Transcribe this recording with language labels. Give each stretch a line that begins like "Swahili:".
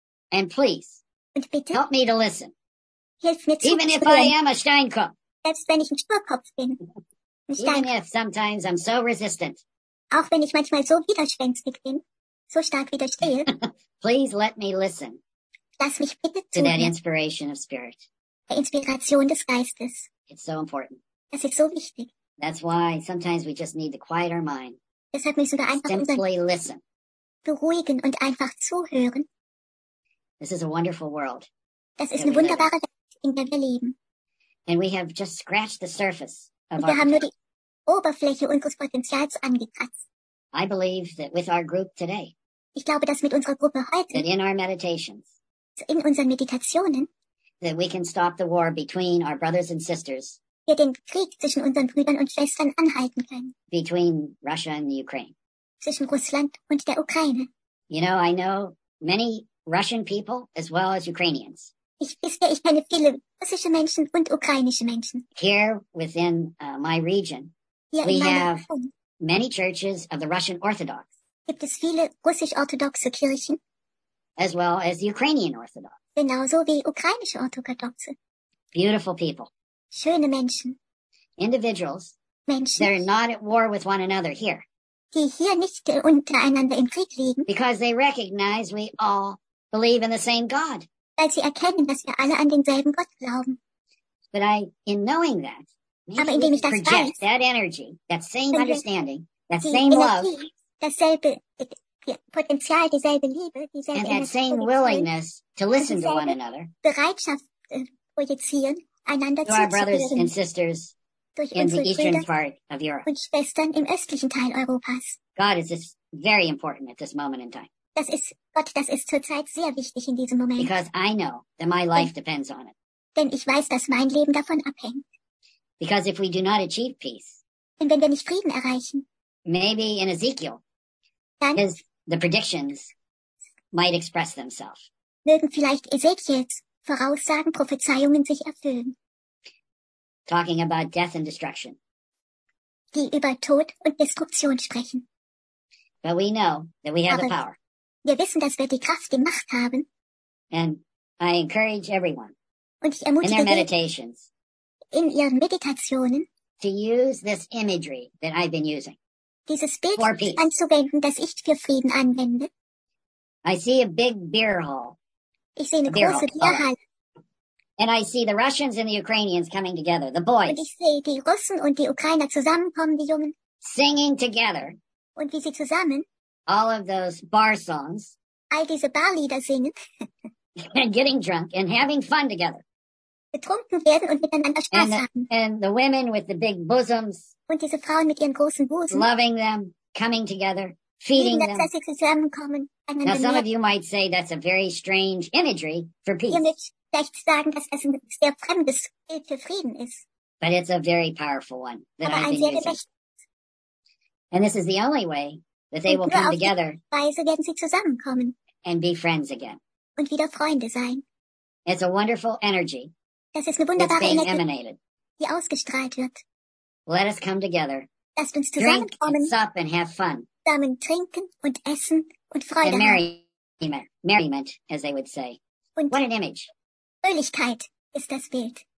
English: And please, help me to listen. Even if I am a Steinkopf. Even if sometimes I'm so resistant.
German: Auch wenn ich manchmal so widerspenstig bin, so stark widerstehe.
English: Please let me listen.
German: Lass mich bitte
English: to that inspiration of spirit.
German: Der Inspiration des Geistes.
English: It's so important.
German: Das ist so wichtig.
English: That's why sometimes we just need to quiet our mind.
German: Deshalb müssen wir einfach
English: simply listen.
German: Beruhigen und einfach zuhören.
English: This is a wonderful world.
German: Das ist eine wunderbare Welt, in der wir leben.
English: And we have just scratched the surface.
German: Wir haben nur die Oberfläche unseres Potenzials angekratzt.
English: I believe that with our group today,
German: ich glaube, dass mit unserer Gruppe heute,
English: that in our meditations,
German: in unseren Meditationen,
English: that we can stop the war between our brothers and sisters,
German: wir den Krieg zwischen unseren Brüdern und Schwestern anhalten können.
English: Between Russia and the Ukraine.
German: Zwischen Russland und der Ukraine.
English: You know, I know many Russian people as well as Ukrainians.
German: Ich kenne viele russische Menschen und ukrainische Menschen.
English: Here within my region,
German: hier
English: we have many churches of the Russian Orthodox.
German: Gibt es viele russisch-orthodoxe Kirchen?
English: As well as the Ukrainian Orthodox.
German: Genauso wie ukrainische Orthodoxe.
English: Beautiful people.
German: Schöne Menschen.
English: Individuals.
German: Menschen.
English: They're not at war with one another here.
German: Die hier nicht untereinander im Krieg liegen.
English: Because they recognize we all believe in the same God.
German: Weil sie erkennen, dass wir alle an denselben Gott glauben.
English: But I, in knowing that,
German: aber indem ich das
English: project, that energy, that same understanding, that same
German: Energie,
English: love,
German: dasselbe, Potenzial, dieselbe Liebe, dieselbe
English: and
German: Energie
English: that same willingness to listen to one another,
German: Bereitschaft, projizieren, einander
English: to our brothers and sisters in the eastern part of Europe.
German: Und Schwestern im östlichen Teil Europas.
English: God is just very important at this moment in time.
German: Das ist zurzeit sehr wichtig in diesem Moment.
English: Because I know that my life depends on it.
German: Denn ich weiß, dass mein Leben davon abhängt.
English: Because if we do not achieve peace,
German: und wenn wir nicht Frieden erreichen,
English: maybe in Ezekiel,
German: dann
English: the predictions might express themselves.
German: Mögen vielleicht Ezekiels Voraussagen, Prophezeiungen sich erfüllen.
English: Talking about death and destruction.
German: Die über Tod und Destruktion sprechen.
English: But we know that we have the power.
German: Wir wissen, dass wir die Kraft, die Macht haben.
English: And I encourage everyone
German: und ich ermutige
English: in their meditations,
German: in ihren Meditationen
English: to use this imagery that I've been using,
German: dieses Bild anzuwenden, das ich für Frieden anwende.
English: I see a big beer hall.
German: Ich sehe eine große Bierhalle.
English: And I see the Russians and the Ukrainians coming together, the boys.
German: Und ich sehe die Russen und die Ukrainer zusammenkommen, die Jungen.
English: Singing together.
German: Und wie sie zusammen
English: all of those bar songs.
German: All diese Barlieder singen.
English: And getting drunk and having fun together.
German: Betrunken werden und miteinander Spaß
English: and the,
German: haben.
English: And the women with the big bosoms.
German: Und diese Frauen mit ihren großen Busen.
English: Loving them, coming together, feeding them.
German: Dass sie zusammenkommen.
English: Now some of you might say that's a very strange imagery for peace.
German: Ihr müsst vielleicht sagen, dass das ein sehr fremdes Bild für Frieden ist.
English: But it's a very powerful one that
German: aber
English: I've been using. And this is the only way that they will come together and be friends again.
German: Und wieder Freunde sein.
English: It's a wonderful energy
German: das ist eine wunderbare
English: that's being
German: Energie,
English: emanated.
German: Die ausgestrahlt wird.
English: Let us come together.
German: Lasst uns zusammenkommen,
English: drink and sup and have fun.
German: Zusammen trinken und essen und Freude
English: and merriment, merriment, as they would say.
German: Und
English: what an image.
German: Fröhlichkeit ist das Bild.